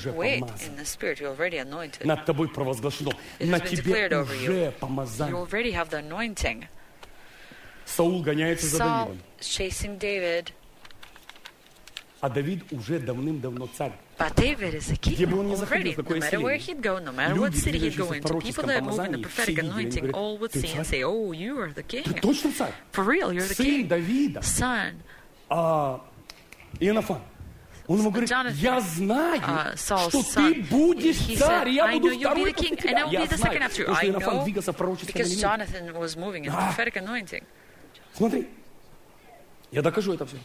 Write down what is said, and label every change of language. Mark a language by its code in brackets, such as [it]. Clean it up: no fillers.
[en] in the spirit, you're already anointed. [ru] Над тобой провозглашено. На тебе уже помазание. [en] You already have the anointing. [ru] Саул гоняется за Давидом. [en] Saul chasing David. [ru] А Давид уже давным-давно царь. [en] But David is a king already. [ru] Заходил, [en] no matter where he'd go, no matter what city he'd go into, people that move in the prophetic anointing all would see and say, oh, you are the king. [ru] Ты точно царь? [en] For real, you're the [ru] Сын [en] king. [ru] Давида. [en] Son. [ru] Иоаннафан, он ему говорит, я знаю, что ты будешь царь, я буду второй после тебя. Я знаю, потому что Иоаннафан двигался в пророческом элементе. Смотри, я докажу это все.